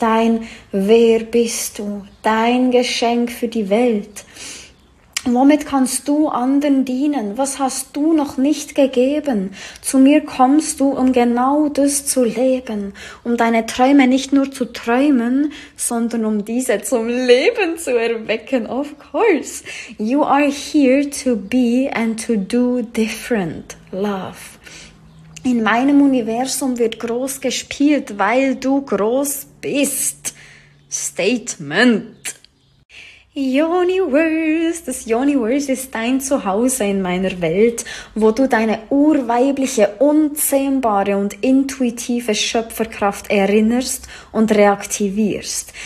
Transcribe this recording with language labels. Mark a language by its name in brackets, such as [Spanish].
[German] Dein Wer bist du? Dein Geschenk für die Welt. Womit kannst du anderen dienen? Was hast du noch nicht gegeben? Zu mir kommst du, um genau das zu leben, um deine Träume nicht nur zu träumen, sondern um diese zum Leben zu erwecken. [English] Of course, you are here to be and to do different, love. [German] In meinem Universum wird groß gespielt, weil du groß bist. Statement. Yoniverse, das Yoniverse ist dein Zuhause in meiner Welt, wo du deine urweibliche, unzähmbare und intuitive Schöpferkraft erinnerst und reaktivierst.